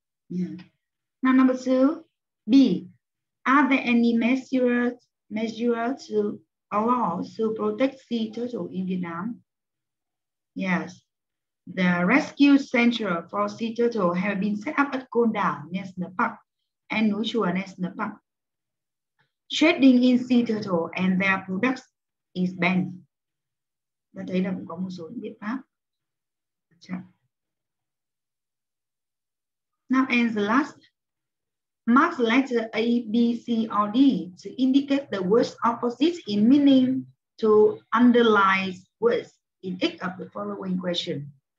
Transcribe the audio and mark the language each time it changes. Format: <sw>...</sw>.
<en>Yeah. Now number two, B. Are there any measures to allow to protect sea turtle in Vietnam? Yes. The rescue center for sea turtle have been set up at Côn Đảo National Park and Núi Chúa National Park. Trading in sea turtle and their products is banned.</en> <vi>Ta thấy là cũng có một số biện pháp.</vi> <en>Now and the last, mark the letter A, B, C, or D to indicate the words opposite in meaning to underline words in each of the following question.</en>